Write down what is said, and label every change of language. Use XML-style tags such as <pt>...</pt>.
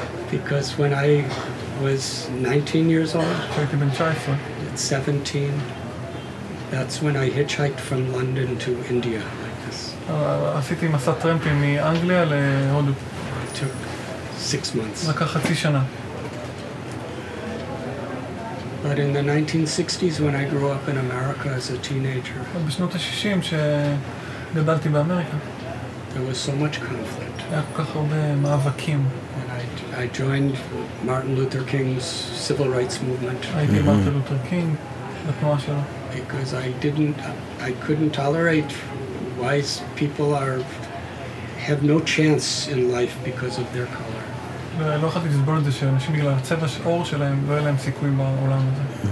<en>Because when I was 19 years old, 17, that's when I hitchhiked from London to India.</en> <he>עשיתי מסע טרמפים מאנגליה להודו.</he> <en>Took 6 months.</en> <he>לקח חצי שנה.</he> <en>But in the 1960s, when I grew up in America as a teenager,</en> <he>בשנות ה-60 שגדלתי באמריקה,</he> <en>there was so much conflict.</en> <he>היה כל כך הרבה מאבקים.</he> <en>And I joined Martin Luther King's civil rights movement.</en> <he>הייתי מרטין לותר קינג, בתנועה שלו.</he> <en>Because I couldn't tolerate why people have no chance in life because of their color.</en> <he>לא יכולתי לסבול את זה שאנשים בגלל הצבע העור שלהם לא היה להם סיכוי בעולם הזה.</he>